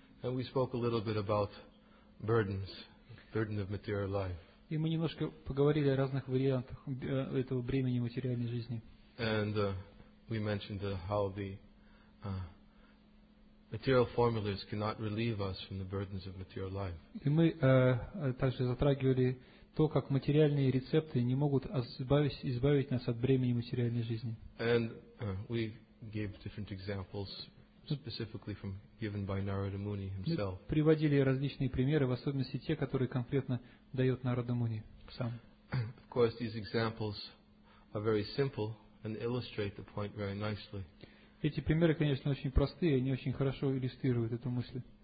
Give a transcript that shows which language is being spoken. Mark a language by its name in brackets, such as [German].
[English] And we spoke a little bit about burden of material life. [Russian] И мы немножко поговорили о разных вариантах этого бремени материальной жизни. [English] And we mentioned how the material formulas cannot relieve us from the burdens of material life. [Russian] И мы также затрагивали то, как материальные рецепты не могут избавить нас от бремени материальной жизни. [English] And we gave different examples, specifically from given by Narada Muni himself. [Russian] Мы приводили различные примеры, в особенности те, которые конкретно дает Нарада Муни сам. [English] Of course, these examples are very simple and illustrate the point very nicely. [Russian] Эти примеры, конечно, очень простые, они очень хорошо иллюстрируют эту мысль.